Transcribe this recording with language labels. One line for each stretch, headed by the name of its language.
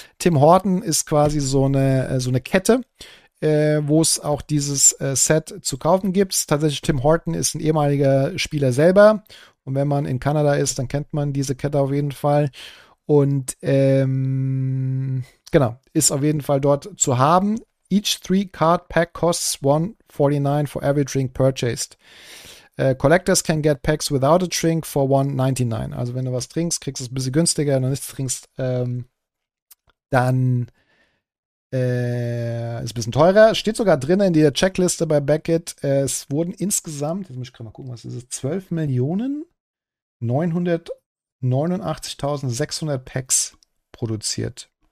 German: Tim Hortons ist quasi so eine Kette, wo es auch dieses Set zu kaufen gibt. Tatsächlich, Tim Hortons ist ein ehemaliger Spieler selber. Und wenn man in Kanada ist, dann kennt man diese Kette auf jeden Fall. Und genau, ist auf jeden Fall dort zu haben.
English: Each 3-card pack costs $1.49 for every drink purchased. Collectors can get packs without a drink for $1.99.
German: Also wenn du was trinkst, kriegst du es ein bisschen günstiger. Wenn du nichts trinkst, dann ist ein bisschen teurer. Steht sogar drin in der Checkliste bei Beckett. Es wurden insgesamt, jetzt muss ich gerade mal gucken, was ist es, 12.989.600 Packs produziert.